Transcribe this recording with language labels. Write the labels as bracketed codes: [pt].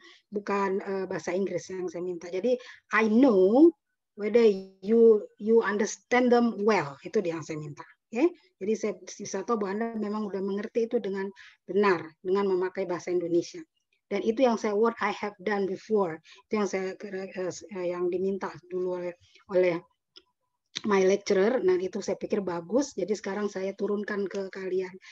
[id] Bukan bahasa Inggris yang saya minta. [en] Jadi I know whether you understand them well. [id] Itu yang saya minta. Oke? Okay? Jadi saya bisa tahu bahwa Anda memang sudah mengerti itu dengan benar dengan memakai bahasa Indonesia. Dan itu yang saya what I have done before. Itu yang saya yang diminta dulu oleh my lecturer, nah itu saya pikir bagus, jadi sekarang saya turunkan ke kalian.